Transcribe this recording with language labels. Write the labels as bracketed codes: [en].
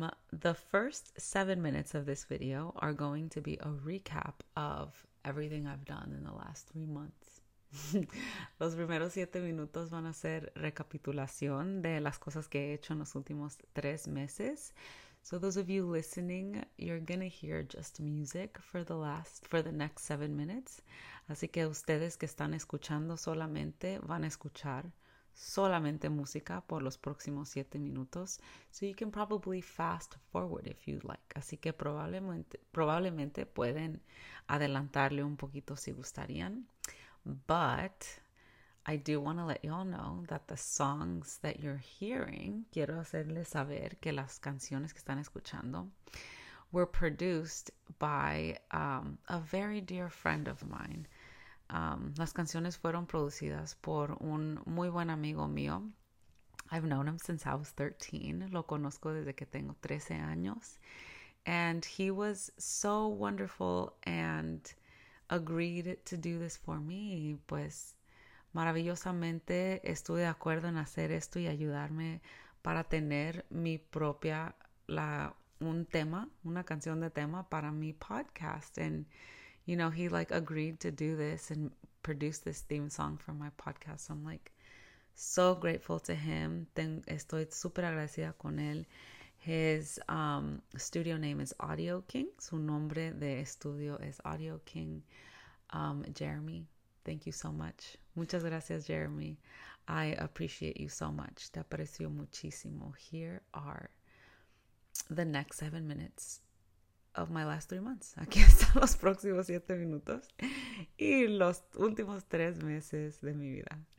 [en] The first 7 minutes of this video are going to be a recap of everything I've done in the last 3 months. [es] Los primeros 7 minutos van a ser recapitulación de las cosas que he hecho en los últimos 3 meses. [en] So those of you listening, you're gonna hear just music for the next 7 minutes. [es] Así que ustedes que están escuchando solamente van a escuchar solamente música por los próximos 7 minutos. [en] So you can probably fast forward if you'd like. [es] Así que probablemente pueden adelantarle un poquito si gustarían. [en] But I do want to let you all know that the songs that you're hearing, [es] quiero hacerles saber que las canciones que están escuchando [en] were produced by a very dear friend of mine. [es] Las canciones fueron producidas por un muy buen amigo mío. [en] I've known him since I was 13. [es] Lo conozco desde que tengo 13 años. [en] And he was so wonderful and agreed to do this for me. [es] Pues maravillosamente estuve de acuerdo en hacer esto y ayudarme para tener mi propia, una canción de tema para mi podcast. [en] And you know, he like agreed to do this and produce this theme song for my podcast. So I'm like so grateful to him. [es] Estoy super agradecida con él. [en] His studio name is Audio King. [es] Su nombre de estudio es Audio King. [en] Jeremy, thank you so much. [es] Muchas gracias, Jeremy. [en] I appreciate you so much. [es] Te aprecio muchísimo. [en] Here are the next 7 minutes of my last 3 months. [es] Aquí están los próximos 7 minutos y los últimos 3 meses de mi vida.